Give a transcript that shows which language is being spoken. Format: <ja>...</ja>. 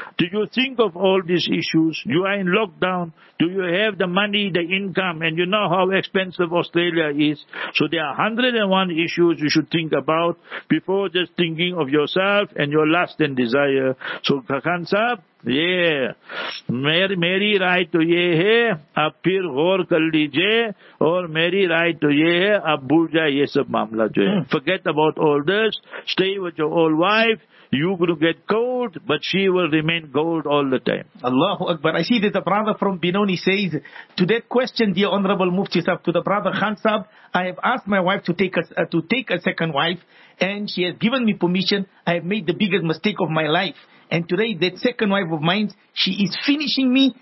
<en>Do you think of all these issues? You are in lockdown. Do you have the money, the income? And you know how expensive Australia is. So there are 101 issues you should think about before just thinking of yourself and your lust and desire. So Khansab,</en> <hi>ये मेरी मेरी राय तो ये है, अब फिर गौर कर लीजिए, और मेरी राय तो ये है अब भूल जाए ये सब मामला जो है.</hi> <en>Forget about all this, stay with your old wife. You will get gold, but she will remain gold all the time.</en> <ar>Allahu Akbar.</ar> <en>I see that the brother from Binoni says, to that question, dear Honorable Mufti Sahab, to the brother Khan Sahab, I have asked my wife to take a second wife, and she has given me permission. I have made the biggest mistake of my life. And today, that second wife of mine, she is finishing me.</en>